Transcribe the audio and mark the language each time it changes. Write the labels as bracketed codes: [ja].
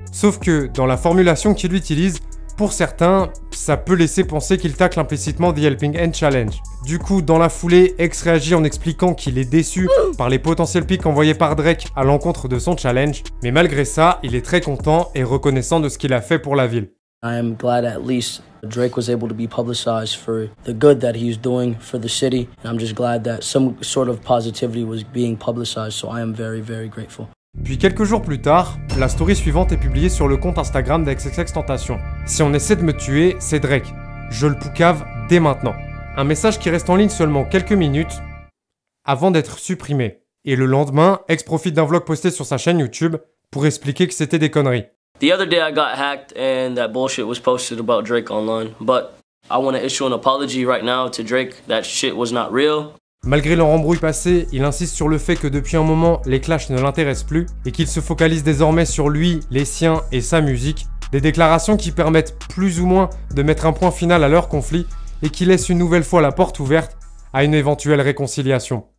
[fr] Sauf que, dans la formulation qu'il utilise, pour certains, ça peut laisser penser qu'il tacle implicitement The Helping Hand Challenge. Du coup, dans la foulée, X réagit en expliquant qu'il est déçu par les potentiels pics envoyés par Drake à l'encontre de son challenge, mais malgré ça, il est très content et reconnaissant de ce qu'il a fait pour la ville. [en] I am glad at least Drake was able to be publicized for the good that he's doing for the city. And I'm just glad that some sort of positivity was being publicized, so I am very, very grateful. [fr] Puis quelques jours plus tard, la story suivante est publiée sur le compte Instagram d'XXXTentacion. Si on essaie de me tuer, c'est Drake. Je le poucave dès maintenant. Un message qui reste en ligne seulement quelques minutes avant d'être supprimé. Et le lendemain, X profite d'un vlog posté sur sa chaîne YouTube pour expliquer que c'était des conneries. [en] The other day I got hacked and that bullshit was posted about Drake online, but I want to issue an apology right now to Drake, that shit was not real. [fr] Malgré leur embrouille passée, il insiste sur le fait que depuis un moment, les clashs ne l'intéressent plus et qu'il se focalise désormais sur lui, les siens et sa musique. Des déclarations qui permettent plus ou moins de mettre un point final à leur conflit et qui laissent une nouvelle fois la porte ouverte à une éventuelle réconciliation.